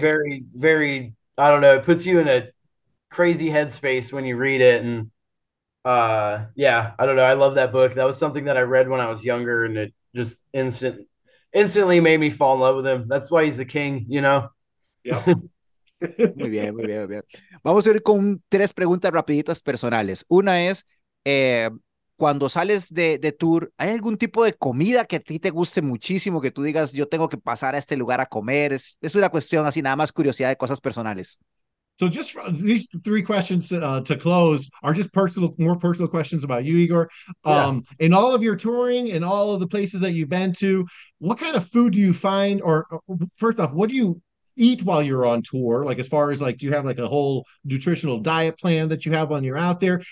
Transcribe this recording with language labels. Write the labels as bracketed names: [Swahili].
[English] very, very, I don't know. It puts you in a crazy headspace when you read it. And yeah, I don't know. I love that book. That was something that I read when I was younger, and it just instantly made me fall in love with him. That's why he's the king, you know? Yeah. [Spanish] Muy bien, muy bien, muy bien. Vamos a ir con tres preguntas rapiditas personales. Una es, cuando sales de tour, ¿hay algún tipo de comida que a ti te guste muchísimo, que tú digas, yo tengo que pasar a este lugar a comer? Es una cuestión así, nada más curiosidad de cosas personales. [English] So just these three questions to close are just personal, more personal questions about you, Igor. In all of your touring and all of the places that you've been to, what kind of food do you find, or first off, what do you eat while you're on tour? Like, as far as like, do you have like a whole nutritional diet plan that you have when you're out there?